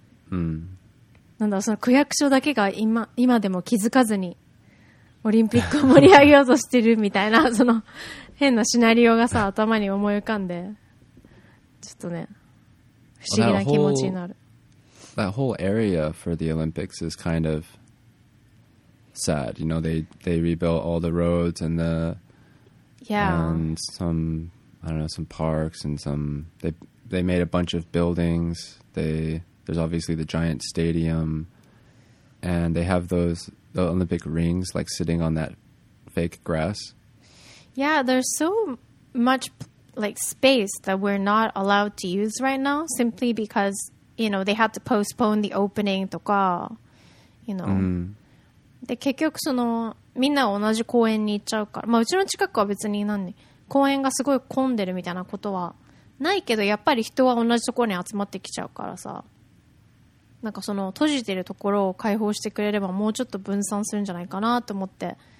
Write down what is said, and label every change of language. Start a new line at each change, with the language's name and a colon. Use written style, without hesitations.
Japanese: うん。なんだその区役所だけが今でも気づかずにオリンピックを盛り上げようとしてるみたいなその変なシナリオがさ頭に思い浮かんで。ちょっとね、不思議な気持ちになる。
English: That whole area for the Olympics is kind of sad. You know, they rebuilt all the roads and the yeah and some I don't know some parks and some they made a bunch of buildings. There's obviously the giant stadium and they have the Olympic rings like sitting on that fake grass. Yeah, there's so much. Like space that we're not allowed to use right now simply because you know they had to postpone the opening
Japanese: とか
English: you know、mm.
Japanese: で結局そのみんな同じ公園に行っちゃうからまあうちの近くは別に何に公園がすごい混んでるみたいなことはないけどやっぱり人は同じところに集まってきちゃうからさなんかその閉じてるところを開放してくれればもうちょっと分散するんじゃないかなと思って